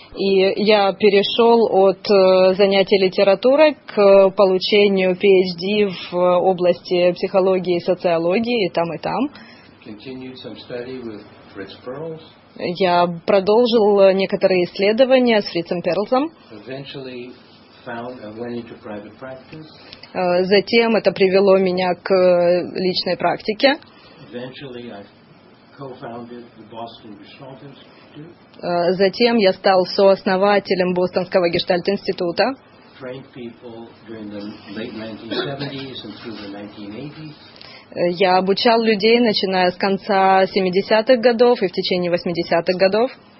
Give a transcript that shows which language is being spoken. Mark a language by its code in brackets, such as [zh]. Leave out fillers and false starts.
[ru] И я перешел от занятий литературой к получению PhD в области психологии и социологии, и там, и там. [en] Continued some study with Fritz Perls. [ru] Я продолжил некоторые исследования с Фрицем Перлсом. [en] Eventually found and went into private practice. [ru] Затем это привело меня к личной практике. [en] Eventually I co-founded the Boston Gestalt Institute. [ru] Затем я стал сооснователем Бостонского Гештальт Института. [en] Trained people during the late 1970s and through the 1980s. [ru] Я обучал людей, начиная с конца 70-х годов и в течение 80-х годов.